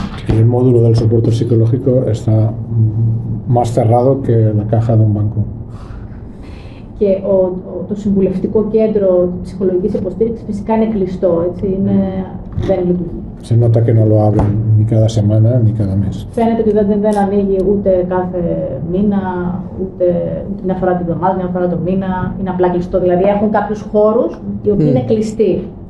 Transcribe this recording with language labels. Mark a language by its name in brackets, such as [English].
[Greek] Και το μόδουλο [Spanish] del soporte psicológico está más cerrado que la caja de un banco. [Greek] Και το συμβουλευτικό κέντρο ψυχολογικής υποστήριξης φυσικά είναι κλειστό, έτσι, δεν λειτουργεί. [Spanish] Se nota que no lo abren ni cada semana ni cada mes. [Greek] Φαίνεται ότι δεν ανοίγει ούτε κάθε μήνα, ούτε μια φορά την εβδομάδα, μια φορά το μήνα, είναι απλά κλειστό. Δηλαδή έχουν κάποιους χώρους οι οποίοι είναι κλειστοί.